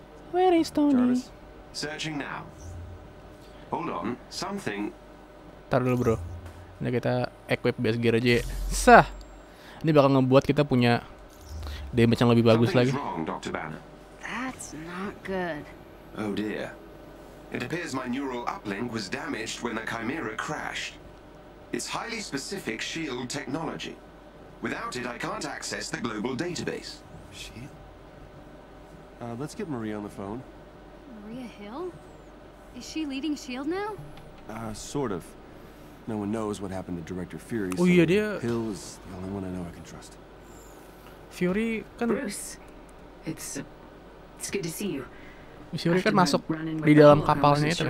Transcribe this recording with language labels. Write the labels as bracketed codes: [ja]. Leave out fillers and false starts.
[en] Where is Tony? Jarvis, searching now. Hold on, something. [id] Ntar dulu bro, ini kita equip base gear aja. Ya. Sah, ini bakal ngebuat kita punya damage yang lebih bagus lagi. [en] That's not good. Oh dear. It appears my neural uplink was damaged when the Chimera crashed. It's highly specific shield technology. Without it, I can't access the global database. Shield? Let's get Maria on the phone. Maria Hill? Is she leading S.H.I.E.L.D. now? Sort of. No one knows what happened to Director Fury. Oh, so [id] yeah, dia. [en] Hill is the only one I know I can trust. [id] Fury kan. [en] Bruce, it's good to see you. [id] Fury kan masuk di dalam kapalnya itu.